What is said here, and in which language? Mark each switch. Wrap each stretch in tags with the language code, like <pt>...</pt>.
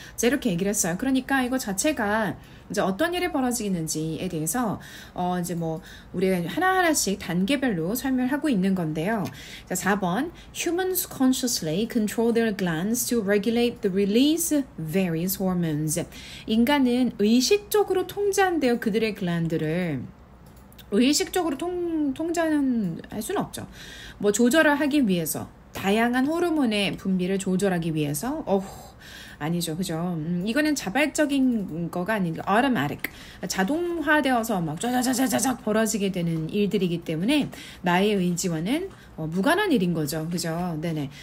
<ko>자, 이렇게 얘기를 했어요. 그러니까 이거 자체가 이제 어떤 일이 벌어지는지에 대해서 이제 뭐 우리가 하나하나씩 단계별로 설명을 하고 있는 건데요. 자, 4번</ko> <en>Humans consciously control their glands to regulate the release of various hormones.</en> <ko>인간은 의식적으로 통제한대요. 그들의 글랜드를 의식적으로 통제는 할 수는 없죠. 뭐 조절을 하기 위해서 다양한 호르몬의 분비를 조절하기 위해서 아니죠. 그죠? 이거는 자발적인 거가 아닌 automatic. 자동화되어서 막 쫘자자자자작 벌어지게 되는 일들이기 때문에 나의 의지와는 무관한 일인 거죠. 그죠? 네네.</ko>